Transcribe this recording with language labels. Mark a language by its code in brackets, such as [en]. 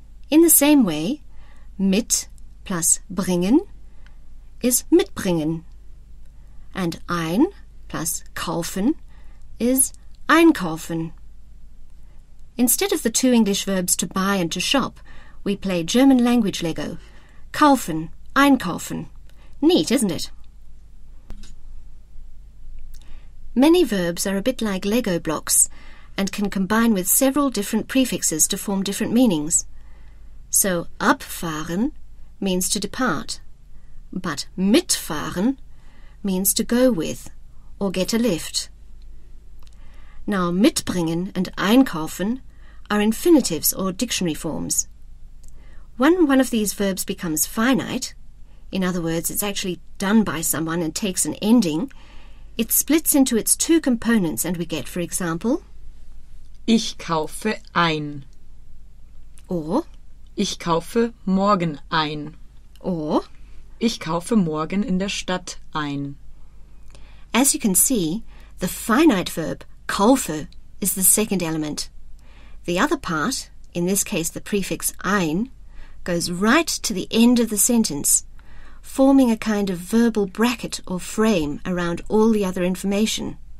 [en] In the same way, mit plus bringen is mitbringen, and ein plus kaufen is einkaufen. Instead of the two English verbs to buy and to shop, we play German language Lego. Kaufen, einkaufen. Neat, isn't it? Many verbs are a bit like Lego blocks and can combine with several different prefixes to form different meanings. So, abfahren means to depart, but mitfahren means to go with or get a lift. Now, mitbringen and einkaufen are infinitives or dictionary forms. When one of these verbs becomes finite, in other words, it's actually done by someone and takes an ending, it splits into its two components and we get, for example, [de] Ich kaufe ein. [en] Or [de] Ich kaufe morgen ein. [en] Or [de] Ich kaufe morgen in der Stadt ein. [en] As you can see, the finite verb kaufe is the second element. The other part, in this case the prefix ein, goes right to the end of the sentence, forming a kind of verbal bracket or frame around all the other information.